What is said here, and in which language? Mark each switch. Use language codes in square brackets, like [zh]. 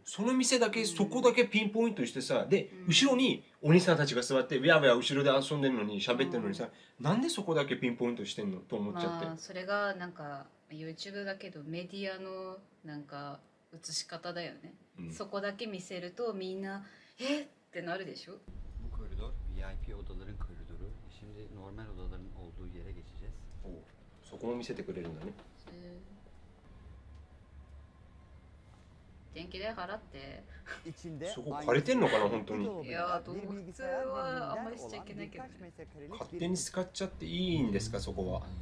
[ja] その店だけ、うん、そこだけピンポイントしてさ、で、うん、後ろにお兄さんたちが座ってウヤウヤ後ろで遊んでるのに喋ってるのにさ、うん、なんでそこだけピンポイントしてんのと思っちゃって、まあ、それがなんか YouTube だけどメディアのなんか映し方だよね、うん、そこだけ見せるとみんなえってなるでしょ。 [tr] Bu koridor VIP odaların koridoru. Şimdi normal odaların olduğu yere geçeceğiz. Oo. [ja] そこも見せてくれるんだね。電気代払って。 [tr] içinde [ja] そこ借りてんのかな本当に。いやー、動物はあんまりしちゃいけないけど、ね。勝手に使っちゃっていいんですか、うん、そこは。